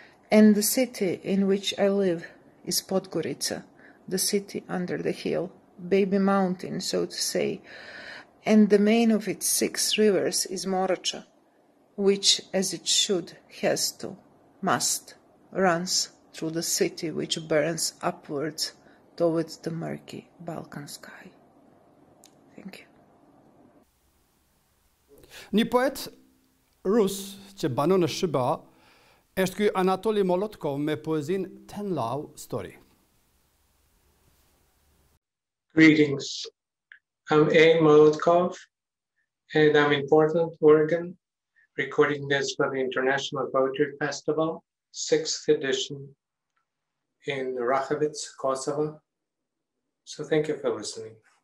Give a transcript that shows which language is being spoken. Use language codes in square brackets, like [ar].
[en] And the city in which I live is Podgorica, the city under the hill, baby mountain, so to say, and the main of its six rivers is Morača, which, as it should, has to, must, runs through the city which burns upwards towards the murky Balkan sky. [sq] Një poet rus që banon në Shqipëri është ky Anatoli Molotkov me poezin Ten Law Story. [en] Greetings. I'm A. Molotkov and I'm in Portland, Oregon, recording this for the International Poetry Festival, 6th edition in Rakovec, Kosovo. So thank you for listening.